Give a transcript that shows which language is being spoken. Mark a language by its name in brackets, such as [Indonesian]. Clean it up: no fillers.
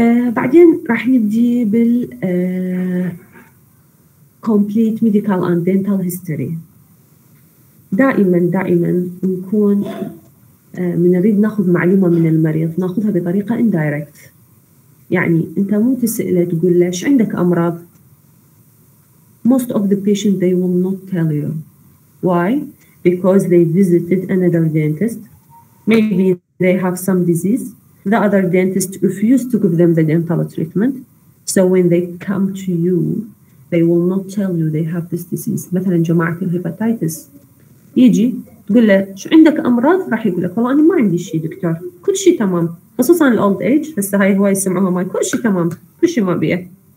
[Arabic] بعدين راح نبدي بال complete medical and dental history. دائما دائما نكون من نريد ناخذ معلومه من المريض ناخذها بطريقه indirect. يعني انت مو تساله تقول له ايش عندك امراض. [English] most of the patient they will not tell you. why? because they visited another dentist, maybe they have some disease, the other dentist refused to give them the dental treatment, so when they come to you they will not tell you they have this disease. [Arabic] مثلا جماعة الهيباتيتس يجي تقول له شو عندك أمراض, راح يقول لك والله أنا ما عندي شيء دكتور, كل شيء تمام. خصوصا الأولد إيج, بس هاي هواي يسمعوها ماي كل شيء تمام كل شيء ما بيه.